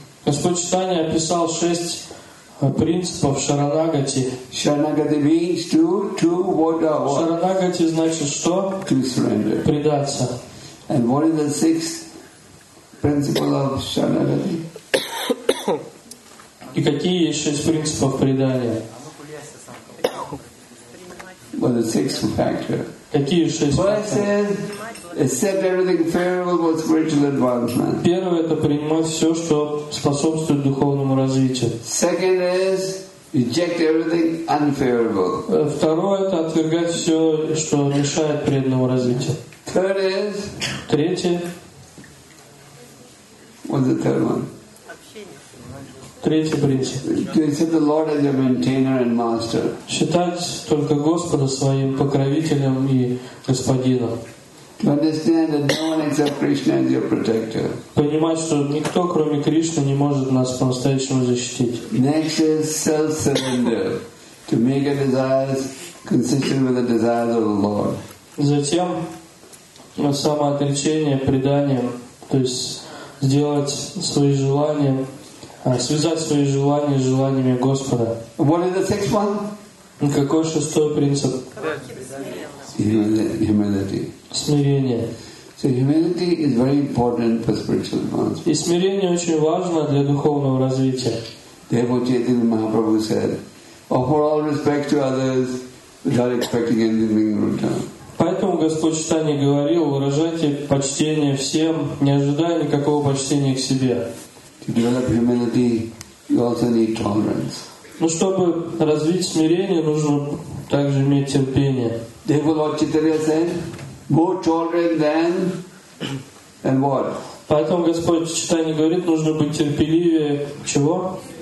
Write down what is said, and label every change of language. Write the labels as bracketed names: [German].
[Russian] Господь Читания описал шесть принципов шаранагати. [English] Шаранагати means to what? [Russian] Шаранагати значит что? [English] To surrender. [Russian] Предаться. [English] And what is the sixth principle of шаранагати? [Russian] И какие есть шесть принципов предания? [English] What is the sixth factor? [Russian] Какие шесть факторов? [English] Accept everything favorable for spiritual advancement. [Russian] Первое — это принимать все, что способствует духовному развитию. [English] Second is reject everything unfavorable. [Russian] Второе — это отвергать все, что мешает преданному развитию. [English] Third is [Russian] третье. [English] What's the third one? [Russian] Третий принцип. [English] To accept the Lord as your maintainer and master. [Russian] Считать только Господа своим покровителем и господином. [English] To understand that no one except Krishna is your protector. [Russian] Понимать, что никто, кроме Кришны, не может нас по-настоящему защитить. [English] Next is self-surrender. To make our desires consistent with the desires of the Lord. [Russian] Затем самоотречение, предание, то есть сделать свои желания, связать свои желания с желаниями Господа. [English] What is the sixth one? [Russian] Какой шестой принцип? [English] Humility. [Russian] Смирение. [English] So humility is very important for spiritual advancement. [Russian] И смирение очень важно для духовного развития. [English] Therefore, Chaitanya Mahaprabhu said, offer all respect to others without expecting anything in return. [Russian] Поэтому Господь Читания говорил, выражайте почтение всем, не ожидая никакого почтения к себе. [English] To develop humility, you also need tolerance. [Russian] Но чтобы развить смирение, нужно также иметь терпение. [English] Therefore, Lord Chaitanya said, more tolerant than what? [Russian] Поэтому Господь Читания говорит, нужно быть терпеливее чего?